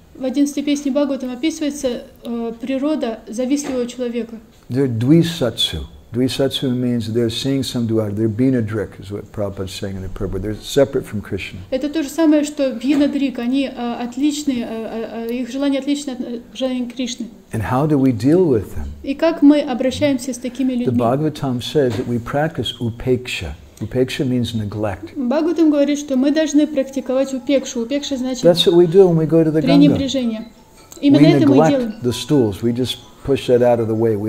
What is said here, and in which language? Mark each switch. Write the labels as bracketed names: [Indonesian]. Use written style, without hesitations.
[Russian] В 11-й песне Бхагаватам описывается природа завистливого человека. [English] They're dvisatsu. Dvisatsu means they're seeing some duality. They're binadrik, is what Prabhupada is saying in the Prabhupada. They're separate from Krishna. [Russian] Это то же самое, что binadrik. Они отличны, их желание отличны от желания Кришны. [English] And how do we deal with them? [Russian] И как мы обращаемся с такими людьми? [English] The Bhagavatam says that we practice upeksha. Upeksha means neglect. [Russian] Бхагаватам говорит, что мы должны практиковать упекшу. Упекша значит. [English] That's what we do when we go to the Ganga. [Russian] Пренебрежение. Именно это мы делаем. [English] We neglect the stools. We just push that out of the way.